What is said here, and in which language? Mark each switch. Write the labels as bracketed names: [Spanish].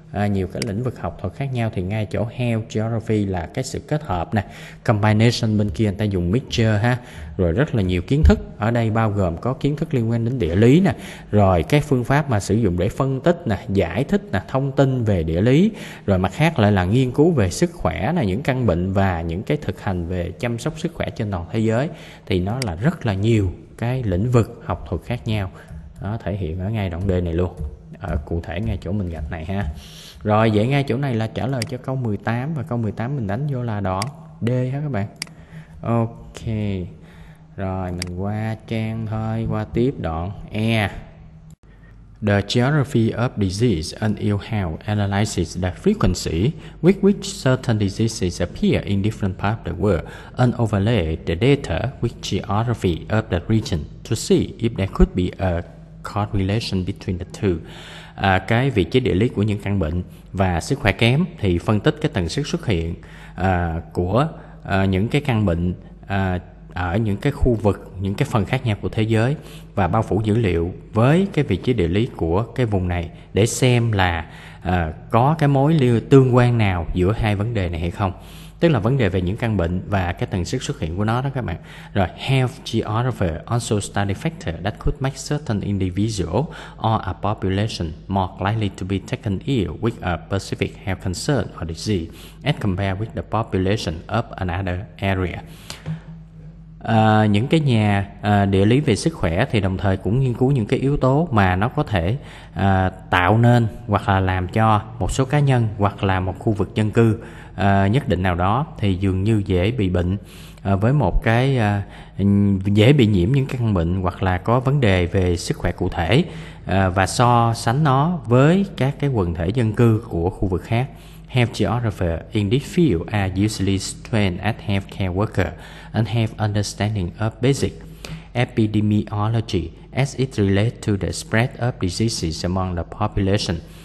[Vietnamese] Nhiều cái lĩnh vực học thuật khác nhau, thì ngay chỗ health geography là cái sự kết hợp nè, combination bên kia người ta dùng mixture ha, rồi rất là nhiều kiến thức ở đây, bao gồm có kiến thức liên quan đến địa lý nè, rồi cái phương pháp mà sử dụng để phân tích nè, giải thích nè, thông tin về địa lý, rồi mặt khác lại là nghiên cứu về sức khỏe nè, những căn bệnh và những cái thực hành về chăm sóc sức khỏe trên toàn thế giới, thì nó là rất là nhiều cái lĩnh vực học thuật khác nhau. Đó, thể hiện ở ngay đoạn D này luôn. cụ thể ngay chỗ mình gạch này ha. Rồi vậy ngay chỗ này là trả lời cho câu 18, và câu 18 mình đánh vô là đoạn D ha các bạn. Ok. Rồi mình qua trang thôi, qua tiếp đoạn E. [English] The geography of disease and ill health analyzes the frequency with which certain diseases appear in different parts of the world and overlay the data with geography of the region to see if there could be a correlation between the two. [Vietnamese] Cái vị trí địa lý của những căn bệnh và sức khỏe kém thì phân tích cái tần suất xuất hiện của những cái căn bệnh ở những cái khu vực, những cái phần khác nhau của thế giới và bao phủ dữ liệu với cái vị trí địa lý của cái vùng này để xem là có cái mối liên tương quan nào giữa hai vấn đề này hay không. Tức là vấn đề về những căn bệnh và cái tần suất xuất hiện của nó đó các bạn. Rồi, [English] health geography also study factors that could make certain individual or a population more likely to be taken ill with a specific health concern or disease as compared with the population of another area. [Vietnamese] Những cái nhà địa lý về sức khỏe thì đồng thời cũng nghiên cứu những cái yếu tố mà nó có thể tạo nên hoặc là làm cho một số cá nhân hoặc là một khu vực dân cư nhất định nào đó thì dường như dễ bị bệnh với một cái dễ bị nhiễm những căn bệnh hoặc là có vấn đề về sức khỏe cụ thể và so sánh nó với các cái quần thể dân cư của khu vực khác. [English] Health geographers in this field are usually trained as healthcare workers and have understanding of basic epidemiology as it relates to the spread of diseases among the population.